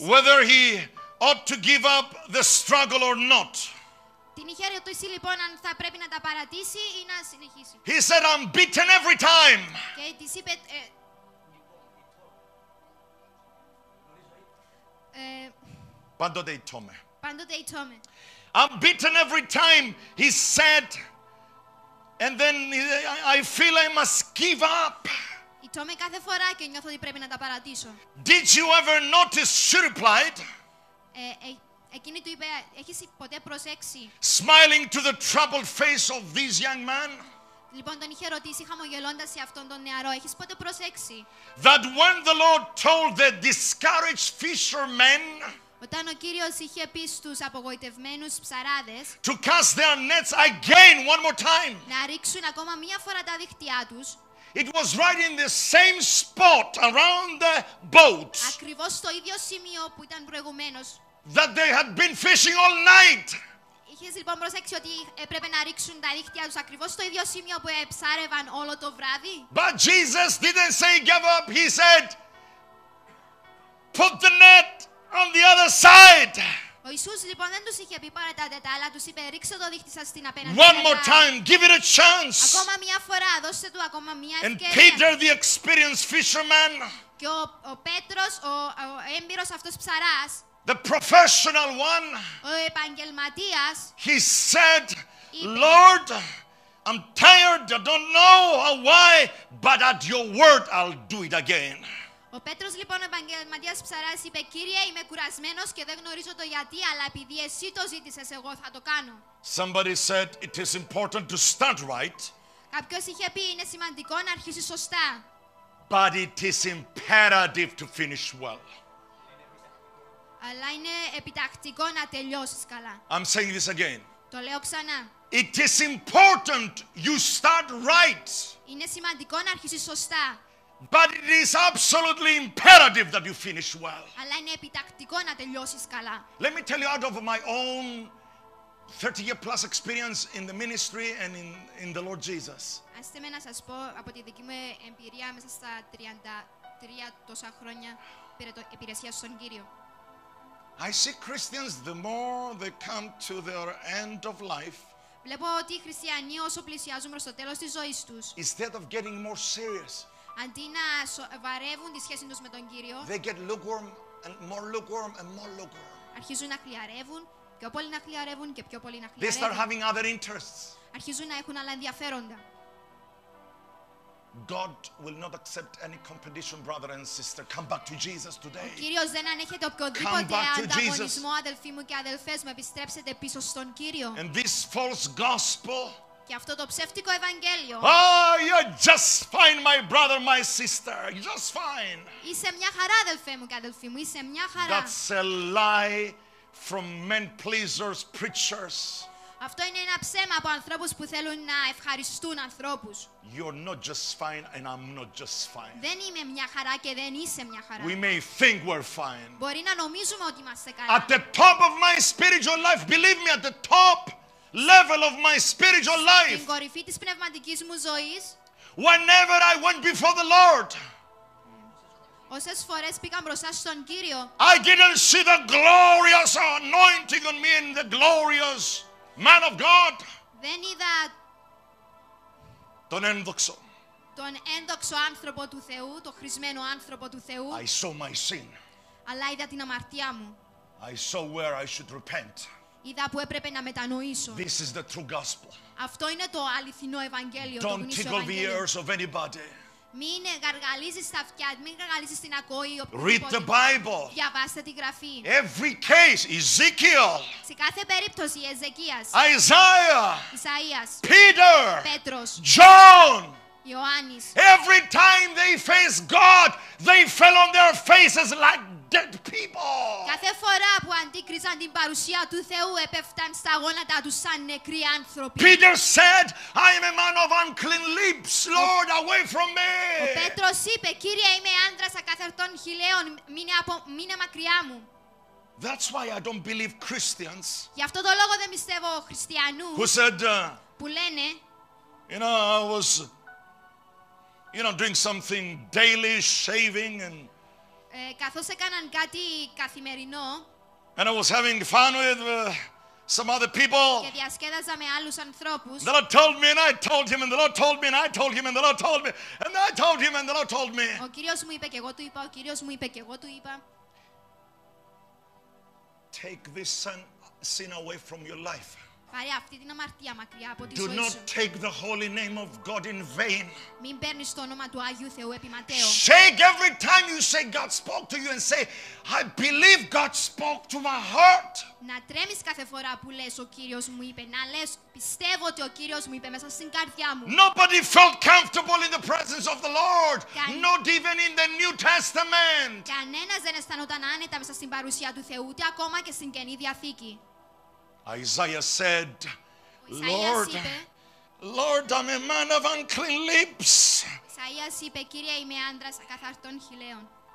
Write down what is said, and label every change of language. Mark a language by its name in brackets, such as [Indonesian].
[English] Whether he ought to give up the struggle or not. [Greek] Την είχε ρωτήσει λοιπόν αν θα πρέπει να τα παρατήσει ή να συνεχίσει. [English] He said, I'm beaten every time. [Greek] Και της είπε, Πάντοτε ητώμε. [English] I'm beaten every time, he said. And then I feel I must give up. [Greek] Ητώμαι κάθε φορά και νιώθω ότι πρέπει να τα παρατήσω. [English] Did you ever notice, she replied. [Greek] Εκείνη του είπε, έχεις ποτέ προσέξει. [English] Smiling to the troubled face of this young man. [Greek] Λοιπόν, τον είχε ρωτήσει, χαμογελώντας σε αυτόν τον νεαρό, έχεις ποτέ προσέξει. [English] That when the Lord told the discouraged fishermen. [Greek] Όταν ο Κύριος είχε πει στους απογοητευμένους ψαράδες [English] to cast their nets again one more time. [Greek] Να ρίξουν ακόμα μία φορά τα δίχτυά τους. [English] It was right in the same spot around the boat. [Greek] Ακριβώς στο ίδιο σημείο που ήταν προηγουμένως. [English] That they had been fishing all night. [Greek] Είχες λοιπόν προσέξει ότι έπρεπε να ρίξουν τα δίχτυά τους ακριβώς στο ίδιο σημείο που ψάρευαν όλο το βράδυ. [English] But Jesus didn't say give up. He said, put the net on the other side. [Greek] Ο Ιησούς λοιπόν δεν τους είχε πει πάρε τα τετάλα, τους είπε ρίξε το δίχτυ σας στην απέναντι. [English] One more time, give it a chance. [Greek] Ακόμα μια φορά, δώστε του ακόμα μια ευκαιρία. [English] And Peter, the experienced fisherman. [Greek] Και ο Πέτρος, ο έμπειρος αυτός ψαράς. [English] The professional one. [Greek] Ο επαγγελματίας. [English] He said, Lord, I'm tired, I don't know why, but at your word I'll do it again. [Greek] Ο Πέτρος λοιπόν, ο επαγγελματίας ψαράς, είπε «Κύριε, είμαι κουρασμένος και δεν γνωρίζω το γιατί, αλλά επειδή εσύ το ζήτησες, εγώ θα το κάνω». [English] Somebody said it is important to start right. [Greek] Κάποιος είχε πει «Είναι σημαντικό να αρχίσει σωστά». [English] But it is imperative to finish well. [Greek] Αλλά είναι επιτακτικό να τελειώσεις καλά. [English] I'm saying this again. [Greek] Το λέω ξανά. [English] It is important you start right. [Greek] Είναι σημαντικό να αρχίσεις σωστά. [English] But it is absolutely imperative that you finish well. [Greek] Αλλά είναι επιτακτικό να τελειώσεις καλά. [English] Let me tell you out of my own 30-year plus experience in the ministry and in the Lord Jesus. [Greek] Ας θέμε να σας πω από τη δική μου εμπειρία μέσα στα 33 τόσα χρόνια υπηρεσία στον Κύριο. [English] I see Christians the more they come to their end of life. [Greek] Βλέπω ότι οι χριστιανοί όσο πλησιάζουν προς το τέλος της ζωής τους. [English] Instead of getting more serious. [Greek] Αντί να βαρεύουν τη σχέση τους με τον Κύριο, [English] they get lukewarm and more lukewarm and more lukewarm. [Greek] Αρχίζουν να χλιαρεύουν, πιο πολύ να χλιαρεύουν και πιο πολύ να χλιαρεύουν. [English] They start having other interests. [Greek] Αρχίζουν να έχουν άλλα ενδιαφέροντα. [English] God will not accept any competition, brother and sister. Come back to Jesus today. [Greek] Ο Κύριος δεν ανέχεται οποιοδήποτε ανταγωνισμό, αδελφοί μου και αδελφές μου, επιστρέψετε πίσω στον Κύριο. [English] And this false gospel. [Greek] Και αυτό το ψεύτικο Ευαγγέλιο. [English] Oh, you're just fine, my brother, my sister. You're just fine. [Greek] Είσαι μια χαρά, αδελφέ μου και αδελφή μου. Είσαι μια χαρά. [English] That's a lie from men pleasers, preachers. [Greek] Αυτό είναι ένα ψέμα από ανθρώπους που θέλουν να ευχαριστούν ανθρώπους. [English] You're not just fine and I'm not just fine. [Greek] Δεν είμαι μια χαρά και δεν είσαι μια χαρά. [English] We may think we're fine. [Greek] Μπορεί να νομίζουμε ότι είμαστε καλά. [English] At the top of my spiritual life, believe me, at the top level of my spiritual life. [Greek] Στην κορυφή της πνευματικής μου ζωής. [English] Whenever I went before the Lord. [Greek] Όσες φορές πήγα μπροστά στον Κύριο. [English] I didn't see the glorious anointing on me and the glorious man of God. [Greek] Δεν είδα τον ένδοξο άνθρωπο του Θεού, τον χρησμένο άνθρωπο του Θεού. [English] I saw my sin. [Greek] Αλλά είδα την αμαρτία μου. [English] I saw where I should repent. [Greek] Είδα που έπρεπε να μετανοήσω. [English] This is the true gospel. [Greek] Αυτό είναι το αληθινό Ευαγγέλιο. [English] Don't tickle the ears of anybody. [Greek] Μην γαργαλίζεις τα αυτιά, μην γαργαλίζεις την ακοή. [English] Read the Bible. [Greek] Διαβάστε τη γραφή. [English] Every case, Ezekiel. [Greek] Σε κάθε περίπτωση, Εζεκίας. [English] Isaiah. [Greek] Ισαΐας. [English] Peter. [Greek] Πέτρος. [English] John. [Greek] Ιωάννης. [English] Every time they faced God, they fell on their faces like dead people. [Greek] Κάθε φορά που αντίκριζαν την παρουσία του Θεού, έπεφταν στα γόνατα τους σαν νεκροί άνθρωποι. [English] Peter said, I am a man of unclean lips, Lord, away from me. [Greek] Ο Πέτρος είπε, Κύριε, είμαι άνδρας ακαθαρτών χειλαίων, μείνε μακριά μου. [English] That's why I don't believe Christians. [Greek] Γι' αυτό το λόγο δεν πιστεύω χριστιανούς. [English] Who said, [Greek] που λένε, [English] you know, I was, you know, doing something daily, shaving and [Greek] καθώς έκαναν κάτι καθημερινό. [English] And I was having fun with some other people. [Greek] Και διασκέδαζα με άλλους ανθρώπους. [English] The Lord told me and I told him and the Lord told me and I told him and the Lord told me and I told him and the Lord told me. [Greek] Ο Κύριος μου είπε και εγώ του είπα, ο Κύριος μου είπε και εγώ του είπα. [English] Take this sin away from your life. [Greek] Πάρε αυτή την αμαρτία μακριά από τη ζωή σου. [English] Do not take the holy name of God in vain. [Greek] Μην παίρνεις το όνομα του Άγιου Θεού επί ματαίω. [English] Shake every time you say God spoke to you and say, I believe God spoke to my heart. [Greek] Να τρέμεις κάθε φορά που λες ο Κύριος μου είπε, να λες πιστεύω ότι ο Κύριος μου είπε μέσα στην καρδιά μου. [English] Nobody felt comfortable in the presence of the Lord. Not even in the New Testament. [Greek] Κανένας δεν αισθανόταν άνετα μέσα στην παρουσία του Θεού, ούτε ακόμα και στην Καινή Διαθήκη. [English] Isaiah said, Lord, Lord, I'm a man of unclean lips. [Greek] Isaiah είπε, Κύριε, είμαι άνδρας ακαθαρτών χειλαίων.